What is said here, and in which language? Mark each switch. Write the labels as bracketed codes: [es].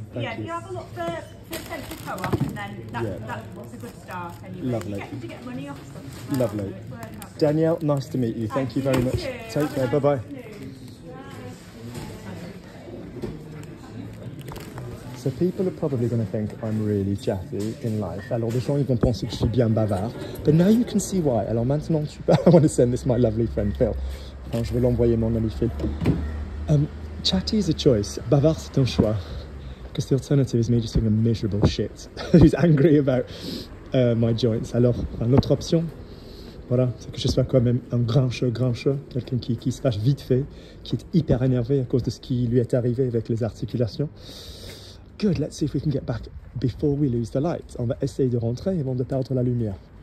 [en] Yeah, you have a look for Central Co-op and then that's a good start. Anyway. Lovely. You get money off something. Lovely. Well, so Danielle, nice to meet you. Thank you very much. Too. Take have care. Nice bye bye. So people are probably going to think I'm really chatty in life. [fr] Alors, les gens, ils vont penser que je suis bien bavard. [en] But now you can see why. [fr] Alors, maintenant, tu... [en] I want to send this to my lovely friend, Phil. [fr] Enfin, je vais l'envoyer mon ami Phil. [en] Chatty is a choice. [fr] Bavard, c'est un choix. [en] Because the alternative is me just doing a miserable shit. Who's angry about my joints. [fr] Alors, enfin, l'autre option, voilà, c'est que je sois quand même un grincheux. Quelqu'un qui se fâche vite fait, qui est hyper énervé à cause de ce qui lui est arrivé avec les articulations. [en] Good, let's see if we can get back before we lose the light. [fr] On va essayer de rentrer avant de perdre la lumière.